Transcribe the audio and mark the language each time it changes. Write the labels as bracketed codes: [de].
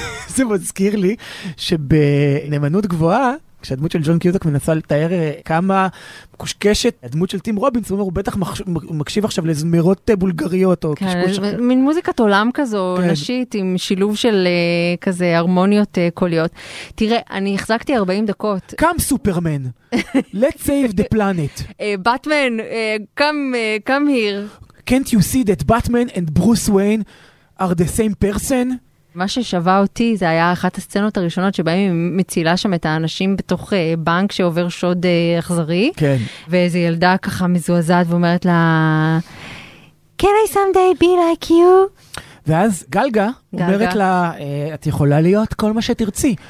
[he] זה מזכיר לי שבנאמנות גבוהה, כשהדמות של ג'ון קיוזק מנסה לתאר כמה קושקשת, הדמות של טים רובינס, הוא אומר, הוא בטח מקשיב עכשיו לזמירות בולגריות. מין מוזיקת עולם כזו, נשית, עם שילוב של כזה הרמוניות קוליות. תראה, אני החזקתי 40 דקות. [en] קם סופרמן, let's save the planet. בטמן, קם היר. Can't you see that Batman and Bruce Wayne are the same person? [he] מה ששווה אותי זה היה אחת הסצנות הראשונות שבהם היא מצילה שם את האנשים בתוך בנק שעובר שוד אכזרי. כן. ואיזו ילדה ככה מזועזעת ואומרת לה, [en] Can I someday be like you? [he] ואז גלגה אומרת לה, את יכולה להיות כל מה שתרצי.